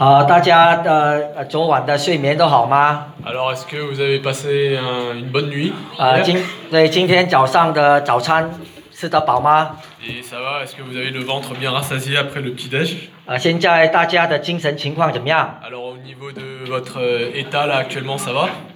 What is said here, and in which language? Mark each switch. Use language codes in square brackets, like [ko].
[zh] 大家的昨晚的睡眠都好吗 [fr] ？Alors, est-ce que vous avez passé une bonne nuit？ [zh] 今天早上的早餐吃得饱吗 [fr] ？Et ça va? Est-ce que vous avez le ventre bien rassasié après le petit déj？ [zh] 现在大家的精神情况怎么样 [fr] ？Alors, au niveau de votre état là actuellement, ça va？